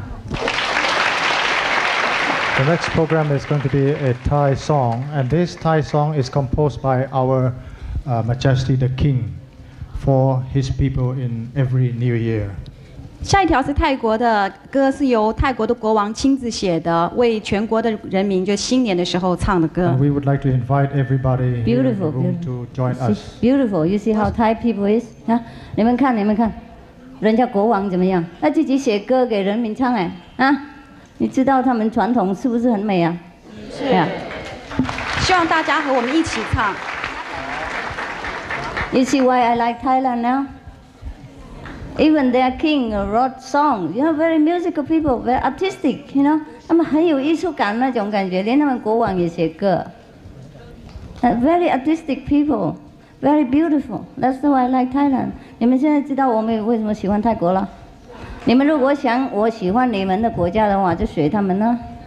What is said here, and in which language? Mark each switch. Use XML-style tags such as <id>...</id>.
<en>The next program is going to be a Thai song, and this Thai song is composed by our Majesty the King. For his people in every new year.</en> <zh>下一条是泰国的歌，是由泰国的国王亲自写的，为全国的人民就新年的时候唱的歌。</zh> <en>And we would like to invite everybody beautiful, in the room to join beautiful. us. Beautiful, you see how Thai people is?</en> <zh>啊，你们看，你们看，人家国王怎么样？他自己写歌给人民唱，哎，啊，你知道他们传统是不是很美啊？是。</zh> <en>Yeah.</en> <zh>希望大家和我们一起唱。</zh> <en>You see why I like Thailand now? Even their king wrote songs. You know, very musical people, very artistic, you know?</en> <zh>他们很有艺术感那种感觉，连他们国王也写歌。</zh> <en>Very artistic people, very beautiful. That's why I like Thailand.</en> <zh>你们现在知道我们为什么喜欢泰国了？你们如果想我喜欢你们的国家的话，就学他们呢。</zh>